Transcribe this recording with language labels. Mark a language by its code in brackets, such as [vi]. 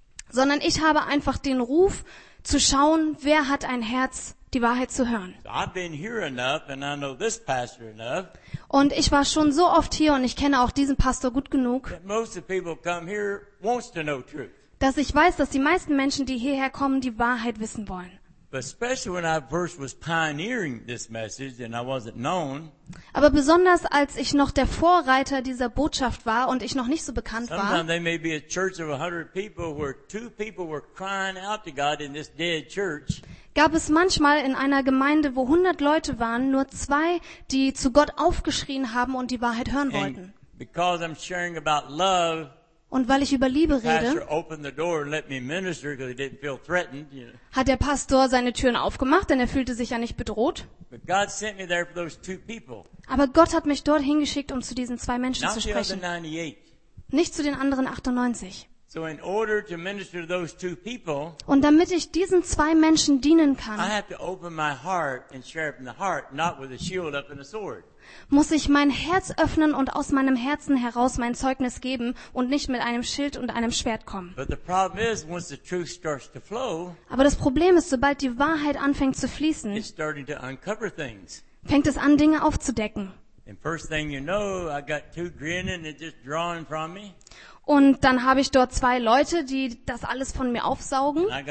[de] Sondern ich habe einfach den Ruf, zu schauen, wer hat ein Herz, die Wahrheit zu hören. [en] So I've been here enough and I know this pastor enough. [de] Und ich war schon so oft hier und ich kenne auch diesen Pastor gut genug, [en] most of the people come here wants to know truth. [de] Dass ich weiß, dass die meisten Menschen, die hierher kommen, die Wahrheit wissen wollen. [en] But especially when I first was pioneering this message and I wasn't known. [de] Aber besonders als ich noch der Vorreiter dieser Botschaft war und ich noch nicht so bekannt war. [en] Sometimes there may be a church of 100 people where two people were crying out to God in this dead church. [de] Gab es manchmal in einer Gemeinde, wo 100 Leute waren, nur zwei, die zu Gott aufgeschrien haben und die Wahrheit hören wollten. [en] Because I'm sharing about love, [de] und weil ich über Liebe rede, [en] opened the door and let me minister, 'cause he didn't feel threatened, you know. [de] Hat der Pastor seine Türen aufgemacht, denn er fühlte sich ja nicht bedroht. [en] But God sent me there for those two people. [de] Aber Gott hat mich dort hingeschickt, um zu diesen zwei Menschen [en] Not [de] zu sprechen. [en] The other 98. [de] Nicht zu den anderen 98. [en] So in order to minister to those two people, [de] und damit ich diesen zwei Menschen dienen kann, [en] I have to open my heart and share it from the heart, not with a shield up and a sword. [de] Muss ich mein Herz öffnen und aus meinem Herzen heraus mein Zeugnis geben und nicht mit einem Schild und einem Schwert kommen. [en] But the problem is, once the truth starts to flow, [de] aber das Problem ist, sobald die Wahrheit anfängt zu fließen, [en] it's starting to uncover things. [de] Fängt es an, Dinge aufzudecken. [en] And first thing you know, I got two grinning and just drawing from me. [de] Und dann habe ich dort zwei Leute, die das alles von mir aufsaugen.